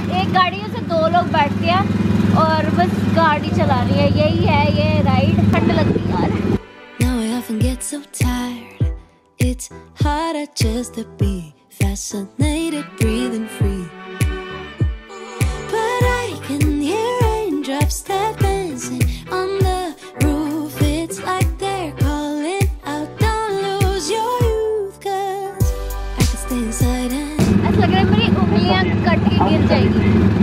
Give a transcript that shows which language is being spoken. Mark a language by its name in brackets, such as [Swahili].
[Hindi] एक गाड़ी, दो लोग बैठते हैं और बस गाड़ी चला रही है. यही है ये राइड. ठंड लगती है [English] Now I often get so tired. It's harder just to be fascinated, breathing free. But I can hear raindrops that dancing on the roof. It's like they're calling out, don't lose your youth, cause I can stay inside and. [Hindi] ऐसा लग रहा है मेरी उंगलियां cut के गिर जाएगी.